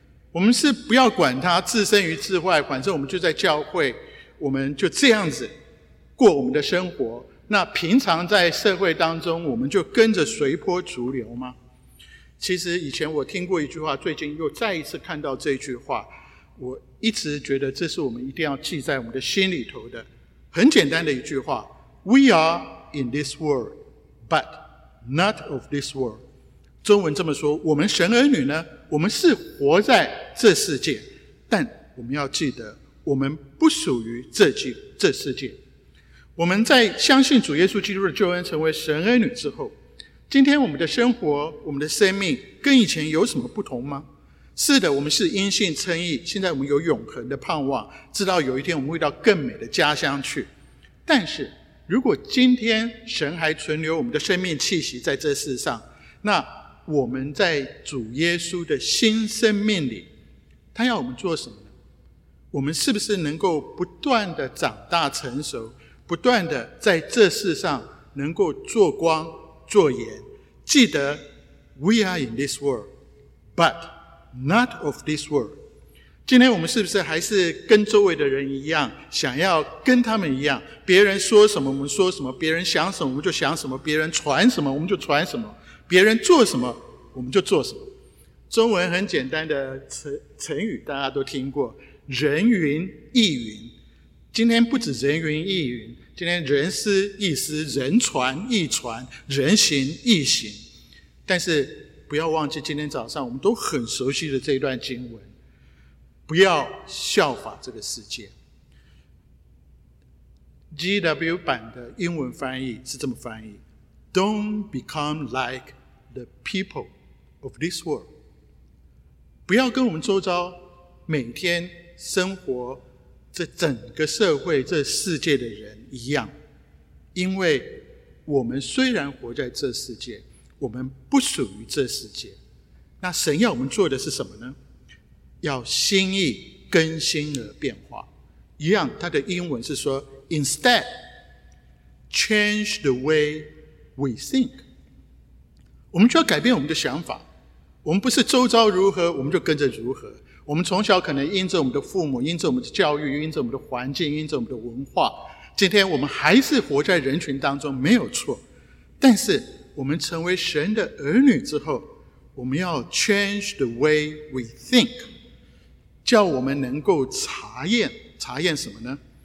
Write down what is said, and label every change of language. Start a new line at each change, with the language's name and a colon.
Chinese: 我们是不要管它，置身于智慧，反正我们就在教会，我们就这样子过我们的生活。那平常在社会当中，我们就跟着随波逐流吗？其实以前我听过一句话，最近又再一次看到这句话，我一直觉得这是我们一定要记在我们的心里头的。
English: 很简单的一句话， We are in this world. But not of this world.
Chinese: 中文这么说，我们神儿女呢，我们是活在这世界，但我们要记得，我们不属于这世界。我们在相信主耶稣基督的救恩，成为神儿女之后，今天我们的生活，我们的生命跟以前有什么不同吗？是的，我们是因信称义，现在我们有永恒的盼望，知道有一天我们会到更美的家乡去。但是如果今天神还存留我们的生命气息在这世上，那我们在主耶稣的新生命里，他要我们做什么呢？我们是不是能够不断的长大成熟，不断地在这世上能够做光做盐。记得
English: We are in this world, but not of this world。
Chinese: 今天我们是不是还是跟周围的人一样，想要跟他们一样，别人说什么我们说什么，别人想什么我们就想什么，别人传什么我们就传什么，别人做什么我们就做什么。中文很简单的成语大家都听过，人云亦云。今天不止人云亦云，今天人思亦思，人传亦传，人行亦行。但是不要忘记今天早上我们都很熟悉的这一段经文，不要效法这个世界。
English: GW
Chinese: 版的英文翻译是这么翻译，
English: Don't become like the people of this world。
Chinese: 不要跟我们周遭每天生活这整个社会这世界的人一样，因为我们虽然活在这世界，我们不属于这世界。那神要我们做的是什么呢？要心意更新而变化。一样他的英文是说
English: Instead change the way we think。
Chinese: 我们就要改变我们的想法，我们不是周遭如何我们就跟着如何。我们从小可能因着我们的父母，因着我们的教育，因着我们的环境，因着我们的文化，今天我们还是活在人群当中没有错。但是我们成为神的儿女之后，我们要
English: change the way we think，
Chinese: 叫我们能够查验，查验什么呢？